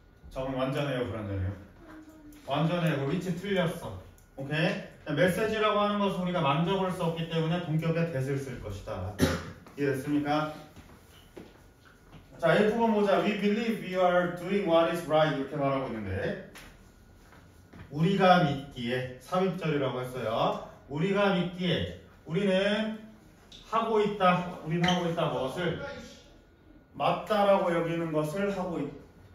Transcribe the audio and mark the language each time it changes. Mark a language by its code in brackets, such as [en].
[ko] 저건 완전해요, 불완전해요? 완전해요. 그럼 위치 틀렸어. 오케이? 메시지라고 하는 것은 우리가 만져볼 수 없기 때문에 동격에 대슬 쓸 것이다. 이해됐습니까? 자, 1번 보자. [en] We believe we are doing what is right. [ko] 이렇게 말하고 있는데 우리가 믿기에 삽입절이라고 했어요. 우리가 믿기에 우리는 하고 있다. 우리는 하고 있다. 무엇을? 맞다라고 여기는 것을 하고 있다.